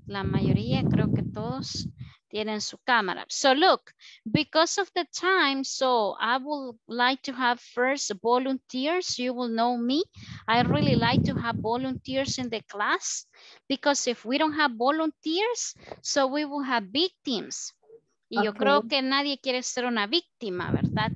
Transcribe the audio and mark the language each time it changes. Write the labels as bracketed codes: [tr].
[es] La mayoría, creo que todos tienen su cámara. [en] So look, because of the time, so I would like to have first volunteers. You will know me. I really like to have volunteers in the class, because if we don't have volunteers, so we will have victims. [es] Y yo creo que nadie quiere ser una víctima, ¿verdad?